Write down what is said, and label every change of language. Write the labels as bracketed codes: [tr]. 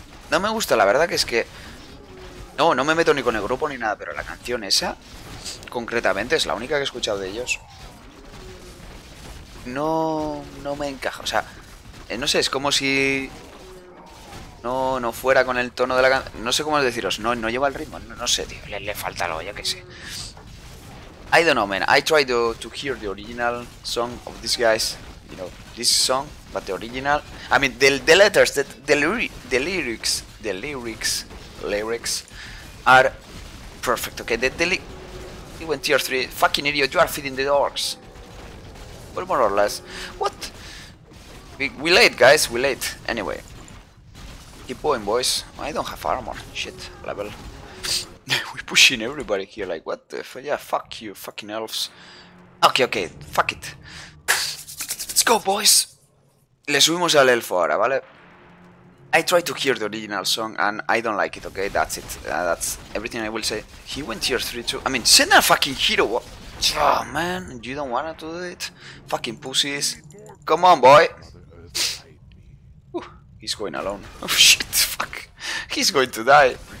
[es] No me gusta, la verdad que es que... No, no me meto ni con el grupo ni nada, pero la canción esa, concretamente, es la única que he escuchado de ellos. No me encaja, o sea, no sé, es como si no fuera con el tono de la canción, no sé cómo deciros, no lleva el ritmo, no sé, tío, le falta algo, yo qué sé. [en] I don't know, man, I tried to hear the original song of these guys, you know, this song, but the original, I mean, the lyrics are perfect, okay, he went tier 3, fucking idiot, you are feeding the dogs. Well, more or less. What? We late, guys. We late. Anyway. Keep going, boys. I don't have armor. Shit. Level. We pushing everybody here. Like, what the fuck? Yeah, fuck you, fucking elves. Okay. Fuck it. Let's go, boys. [es] Le subimos al elfo ahora, ¿vale? [en] I tried to hear the original song and I don't like it, okay? That's it. That's everything I will say. He went tier 3 too. I mean, send a fucking hero. Oh man, you don't wanna do it? Fucking pussies. Come on, boy. He's going alone. Oh shit, fuck. He's going to die.